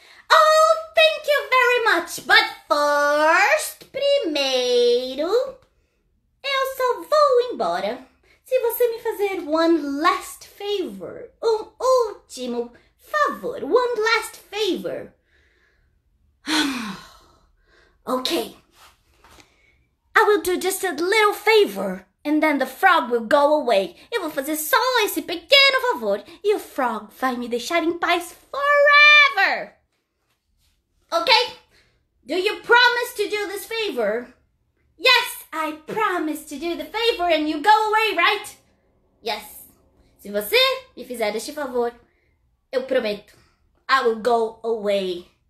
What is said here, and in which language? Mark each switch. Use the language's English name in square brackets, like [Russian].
[English] Oh, thank you very much. But first, [Portuguese] primeiro, eu só vou embora se você me fazer [English] one last favor. [Portuguese] Um último favor. [English] One last favor. Okay. I will do just a little favor and then the frog will go away. [Portuguese] Eu vou fazer só esse pequeno favor e o frog vai me deixar em paz [English] forever. Okay, do you promise to do this favor? Yes, I promise to do the favor and you go away, right? [Portuguese] Yes, se você me fizer este favor, eu prometo, [English] I will go away.